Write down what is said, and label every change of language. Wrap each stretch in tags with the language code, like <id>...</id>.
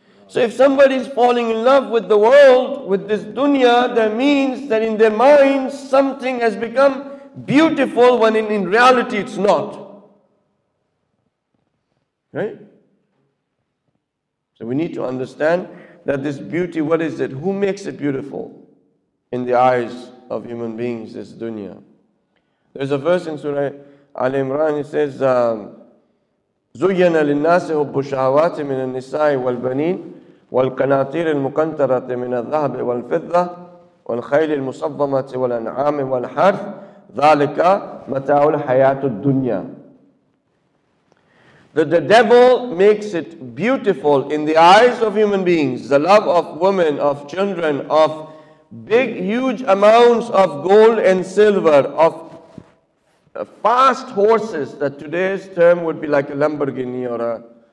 <en>So if somebody is falling in love with the world, with this dunya, that means that in their minds something has become beautiful when in reality it's not. Right? So we need to understand that this beauty, what is it? Who makes it beautiful in the eyes of human beings, this dunya? There's a verse in Surah Ali Imran, it says,</en> <ar>زُيَّنَ لِلنَّاسِ حُبُّ الشَّهَوَاتِ مِنَ النِّسَاءِ وَالْبَنِينَ وَالْقَنَاطِيرِ الْمُقَنْطَرَةِ مِنَ الذَّهَبِ وَالْفِضَّةِ وَالْخَيْلِ الْمُصَوَّمَةِ وَالْأَنْعَامِ وَالْحَرْثِ ذَلِكَ مَتَاعُ الْحَيَاةُ الدُّنْيَا.</ar> <en>The devil makes it beautiful in the eyes of human beings, the love of women, of children, of big, huge amounts of gold and silver, of fast horses, that today's term would be like a Lamborghini or a...</en>